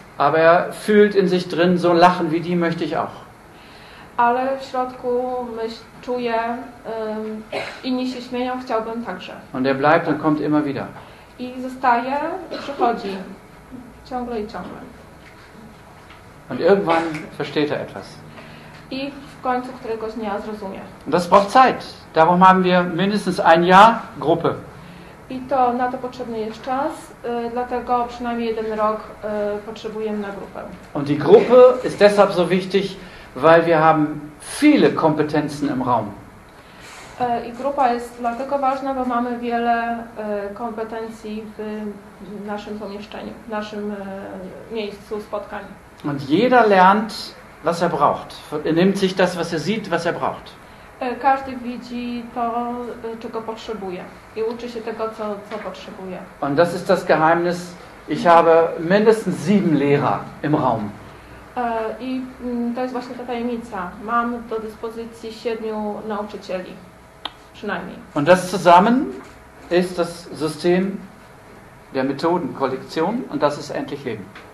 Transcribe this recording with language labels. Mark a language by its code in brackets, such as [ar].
[de] Aber er fühlt in sich drin so lachen wie die möchte ich auch. [pl] Ale w środku czuję, inni się śmieją, chciałbym także. [de] Und er bleibt und kommt immer wieder. [pl] I zostaje, przychodzi. Ciągle i ciągle. [de] Und irgendwann versteht er etwas. [pl] I w końcu któregoś dnia zrozumie. [de] Das braucht Zeit. Darum haben wir mindestens ein Jahr Gruppe. [pl] I to na to potrzebny jest czas, dlatego przynajmniej jeden rok potrzebujemy na grupę. [de] Und die Gruppe ist deshalb so wichtig, weil wir haben viele Kompetenzen im Raum. [pl] I grupa jest dlatego ważna, bo mamy wiele kompetencji w naszym pomieszczeniu, w naszym miejscu spotkań. [de] Und jeder lernt, was er braucht. Er nimmt sich das, was er sieht, was er braucht. [pl] Każdy widzi to, czego potrzebuje i uczy się tego, co potrzebuje. [de] Und das ist das Geheimnis. Ich habe mindestens 7 Lehrer im Raum. [pl] I to jest właśnie ta tajemnica. Mam do dyspozycji 7 nauczycieli, przynajmniej. [de] Und das zusammen ist das System der Methodenkollektion und das ist endlich Leben.